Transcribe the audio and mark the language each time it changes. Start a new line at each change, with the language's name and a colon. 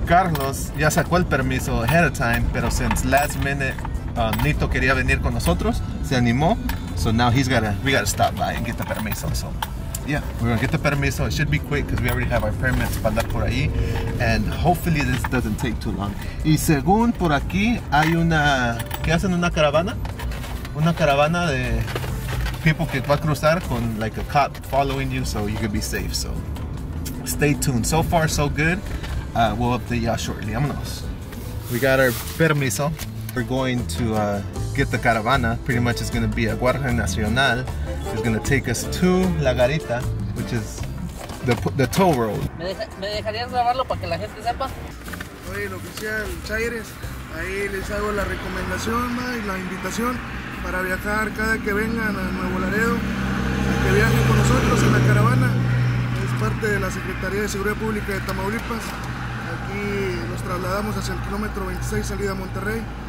Spanish: Carlos ya sacó el permiso
English: ahead of time,
Spanish: pero
English: since last minute
Spanish: Nito quería venir con nosotros, se animó.
English: So now we gotta stop by and get the permiso. So yeah, we're gonna get the permiso. It should be quick because we already have our permits
Spanish: para andar por ahí.
English: And hopefully this doesn't take too long.
Spanish: Y según por aquí hay una, ¿qué hacen?
English: Una caravana de people
Spanish: que va a cruzar con
English: like a cop following you, so you can be safe. So stay tuned. So far, so good. We'll update y'all shortly.
Spanish: Vámonos.
English: We got our permiso. We're going to get the caravana. Pretty much it's going to be a Guardia Nacional. It's going to take us to La Garita, which is the toll road.
Spanish: ¿Me dejarías grabarlo para que la gente sepa? Oye, el oficial Chaires, ahí les hago la recomendación, ¿no? Y la invitación para viajar cada que vengan a Nuevo Laredo, que viajen con nosotros en la caravana. Es parte de la Secretaría de Seguridad Pública de Tamaulipas. Aquí los trasladamos hacia el kilómetro 26, salida a Monterrey.